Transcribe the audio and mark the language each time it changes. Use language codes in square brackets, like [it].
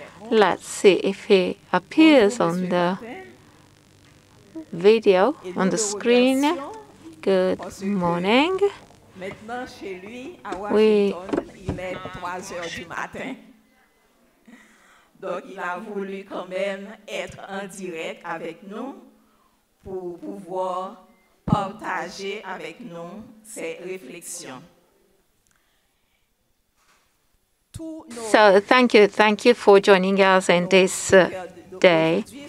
[en] Let's see if he appears on the video, on the screen. Good morning. [fr] Maintenant chez lui à Washington, il est 3h du matin. Donc il a voulu quand même être en direct avec nous pour pouvoir partager avec nous ses réflexions. [en] So thank you for joining us in this day.